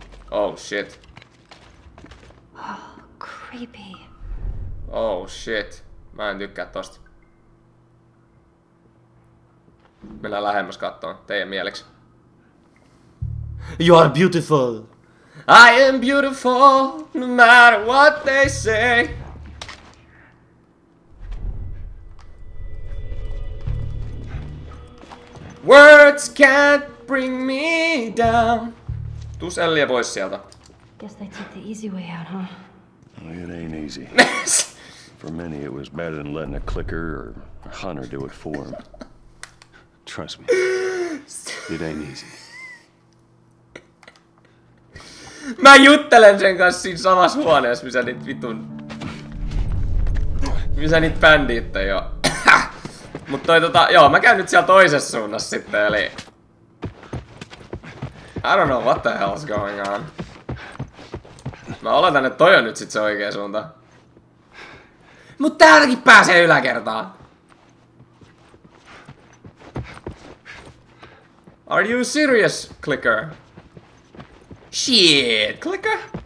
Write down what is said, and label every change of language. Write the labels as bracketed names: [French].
[English] Oh shit. Oh, creepy. Oh shit. [Finnish] Mä en tykkää tosta. Mennään lähemmäs kattoon, teidän mieleksi. [English] You are beautiful. I am beautiful, no matter what they say. Words can't bring me down. [Finnish] Tuu Ellie pois sieltä. [English] Guess they took the easy way out, huh? Oh, it ain't easy. For many, it was better than letting a clicker or a hunter do it for them. Trust me, it ain't easy. [Finnish] Mä juttelen sen kanssa siinä samassa huoneessa, missä niitä vitun... Missä niitä bändiitte jo. Mut toi tota, joo, mä käyn nyt siellä toisessa suunnassa sitten, eli... [English] I don't know what the hell's going on. [Finnish] Mä oletan, että toi on nyt sit se oikea suunta. Mut täältäkin pääsee yläkertaan! [English] Are you serious, clicker? Shit, clicker!